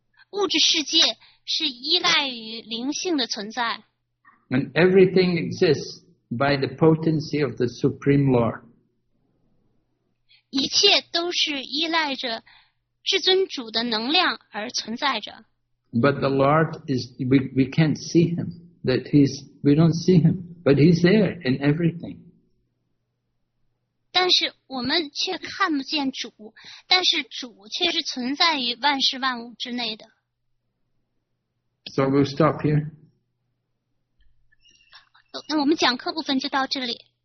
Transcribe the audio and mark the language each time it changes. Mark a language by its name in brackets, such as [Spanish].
[Chinese] 物质世界是依赖于灵性的存在。 [English] And everything exists by the potency of the Supreme Lord. [Chinese] 一切都是依赖着至尊主的能量而存在着。 [English] But the Lord is, we can't see him. That he's, we don't see him. But he's there in everything. [Chinese] 但但是我们却看不见主，但是主却是存在于万事万物之内的。 [English] So we'll stop here. [Chinese] 那我们讲课部分就到这里。